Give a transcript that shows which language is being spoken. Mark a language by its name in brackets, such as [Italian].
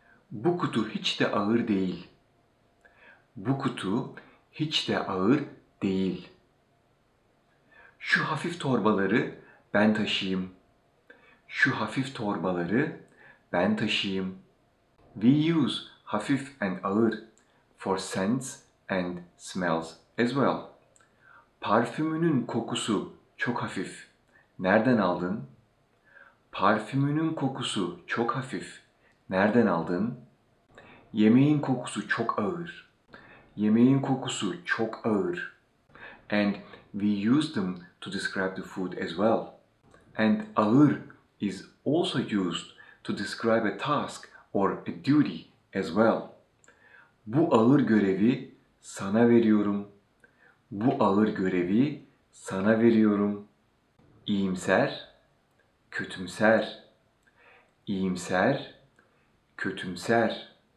[Turkish] Bu kutu hiç de ağır değil. Bu kutu hiç de ağır değil. Şu hafif torbaları ben taşıyayım. Şu hafif torbaları ben taşıyayım. [English] We use hafif and ağır for scents and smells as well. [Turkish] Parfümünün kokusu çok hafif. Nereden aldın? Parfümünün kokusu çok hafif. Nereden aldın? Yemeğin kokusu çok ağır. Yemeğin kokusu çok ağır. [English] And we use them to describe the food as well. And ağır is also used to describe a task or a duty as well. [Turkish] Bu ağır görevi sana veriyorum. Bu ağır görevi sana veriyorum. İyimser, kötümser. İyimser, kötümser.